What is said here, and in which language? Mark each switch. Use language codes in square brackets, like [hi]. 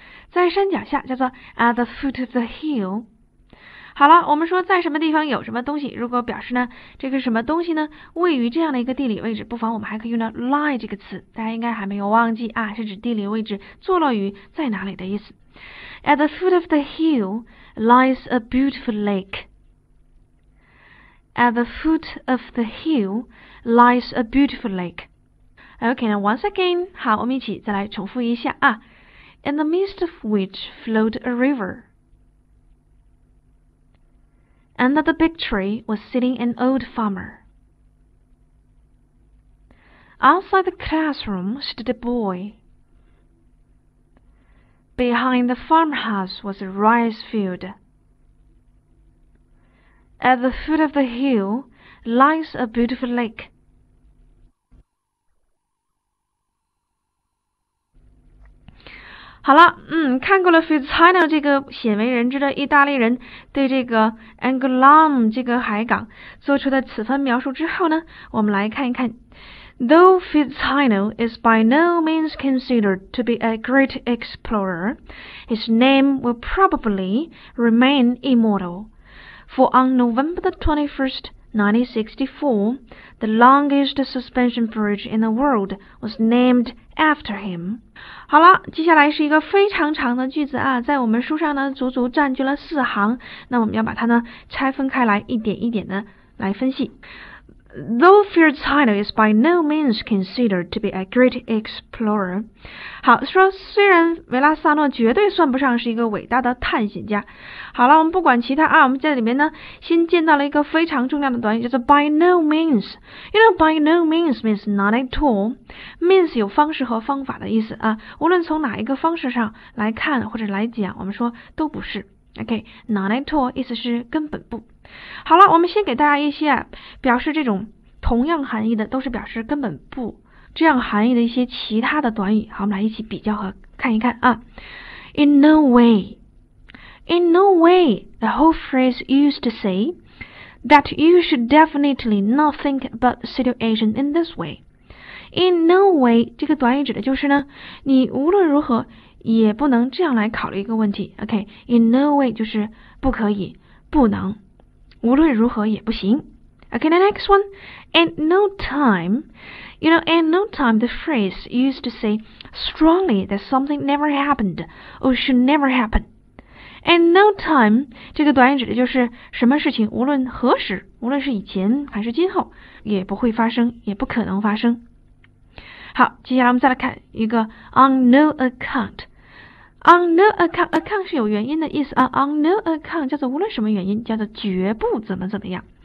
[zh] 在山脚下叫做 [en] at the foot of the hill。 [zh] 好了，我们说在什么地方有什么东西，如果表示呢这个什么东西呢位于这样的一个地理位置，不妨我们还可以用到 lie 这个词，大家应该还没有忘记啊，是指地理位置坐落于在哪里的意思。 [en] at the foot of the hill lies a beautiful lake. At the foot of the hill lies a beautiful lake. Okay, now once again. [zh] 好，我们一起再来重复一下啊。 [en] In the midst of which flowed a river. Under the big tree was sitting an old farmer. Outside the classroom stood a boy. Behind the farmhouse was a rice field. At the foot of the hill lies a beautiful lake. [zh] 好了，看过了 Fizzano 这个鲜为人知的意大利人对这个 Angoulême 这个海港做出的此番描述之后呢，我们来看一看。 [en] Though Fizzano is by no means considered to be a great explorer, his name will probably remain immortal. For on November the 21st, 1964, the longest suspension bridge in the world was named after him. [zh] 好了，接下来是一个非常长的句子啊，在我们书上呢足足占据了四行，那我们要把它呢拆分开来，一点一点的来分析。 [en] Though Fear Tino is by no means considered to be a great explorer. [zh] 好，说虽然维拉萨诺绝对算不上是一个伟大的探险家。好了，我们不管其他啊，我们在里面呢先见到了一个非常重要的短语，叫做 [en] by no means. You know, by no means means not at all. [zh] Means 有方式和方法的意思啊，无论从哪一个方式上来看或者来讲，我们说都不是。 [en] Okay, not at all, [zh] 意思是根本不。好了，我们先给大家一些表示这种同样含义的，都是表示根本不这样含义的一些其他的短语。好，我们来一起比较和看一看啊。 [en] In no way, in no way, the whole phrase used to say that you should definitely not think about the situation in this way. In no way, [zh] 这个短语指的就是呢，你无论如何也不能这样来考虑一个问题。 OK, [en] in no way [zh] 就是不可以，不能，无论如何也不行。 [en] Okay, the next one, at no time. You know, at no time, the phrase used to say strongly that something never happened or should never happen. At no time, [zh] 这个短语指的就是什么事情无论何时，无论是以前还是今后，也不会发生，也不可能发生。好，接下来我们再来看一个 [en] on no account。 On no account, [zh] account 是有原因的意思啊。On no account 叫做无论什么原因，叫做绝不怎么怎么样。